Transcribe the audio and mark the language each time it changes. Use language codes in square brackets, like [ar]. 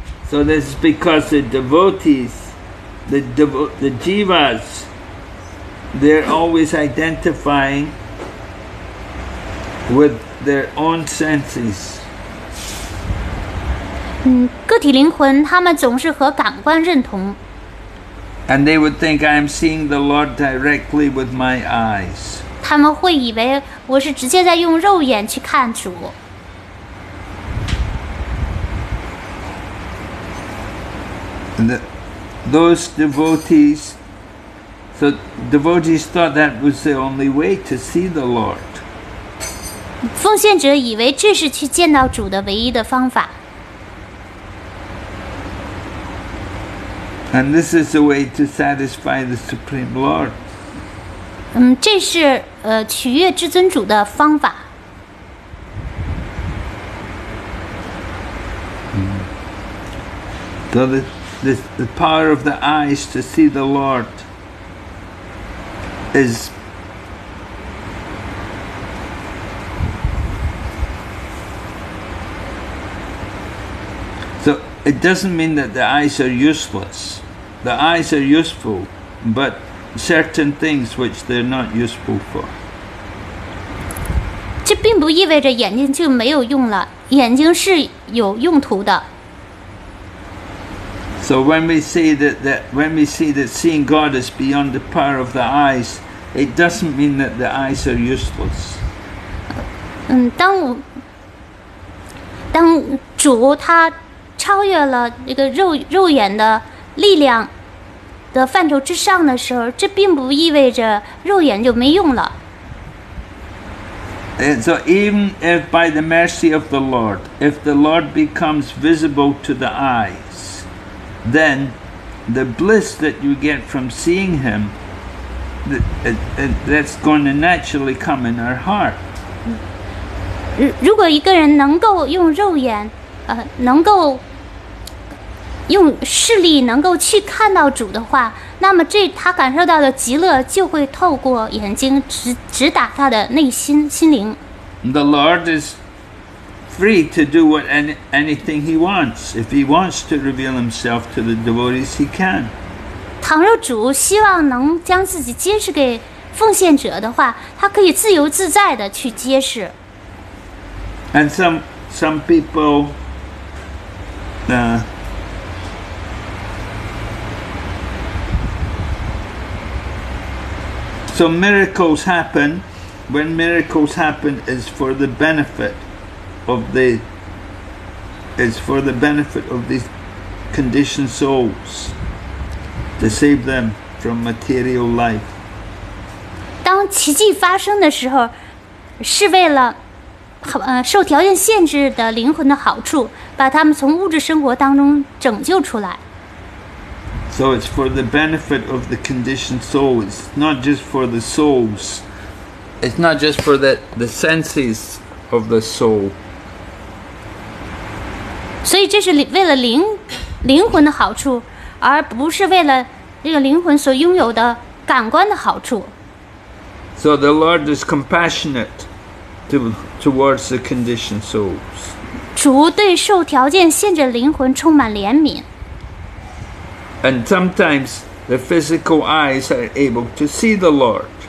[en] So this is because the jivas, they're always identifying with their own senses. [zh] 个体灵魂他们总是和感官认同。 [en] And they would think I'm seeing the Lord directly with my eyes. [zh] 他们会以为我是直接在用肉眼去看主。 [en] Those devotees, so devotees thought that was the only way to see the Lord. [zh] 奉献者以为这是去见到主的唯一的方法。 [en] And this is the way to satisfy the Supreme Lord. [zh] 这是取悦至尊主的方法。 [en] The power of the eyes to see the Lord is so. It doesn't mean that the eyes are useless. The eyes are useful, but certain things which they're not useful for. [zh] 这并不意味着眼睛就没有用了，眼睛是有用途的。 [en] So when we say that seeing God is beyond the power of the eyes, it doesn't mean that the eyes are useless. [zh] 当主他超越了这个肉眼的力量的范畴之上的时候，这并不意味着肉眼就没用了。 [en] And so even if by the mercy of the Lord, if the Lord becomes visible to the eye, then the bliss that you get from seeing him, that's going to naturally come in our heart. [zh] 如果一个人能够用肉眼能够用视力能够去看到主的话，那么这他感受到的极乐就会透过眼睛直达他的内心心灵。 [en] The Lord is free to do what anything he wants. If he wants to reveal himself to the devotees, he can. [zh] 倘若主希望能将自己揭示给奉献者的话，他可以自由自在的去揭示。 [en] And some people, so miracles happen. When miracles happen, is for the benefit. Of the, it's for the benefit of these conditioned souls to save them from material life. [zh] 当奇迹发生的时候，是为了受条件限制的灵魂的好处，把他们从物质生活当中拯救出来。 [en] So it's for the benefit of the conditioned souls, not just for the souls. It's not just for that, the senses of the soul. [zh] 所以这是为了灵魂的好处，而不是为了这个灵魂所拥有的感官的好处。 [en] So the Lord is compassionate towards the conditioned souls. [zh] 主对受条件限制灵魂充满怜悯。 [en] And sometimes the physical eyes are able to see the Lord.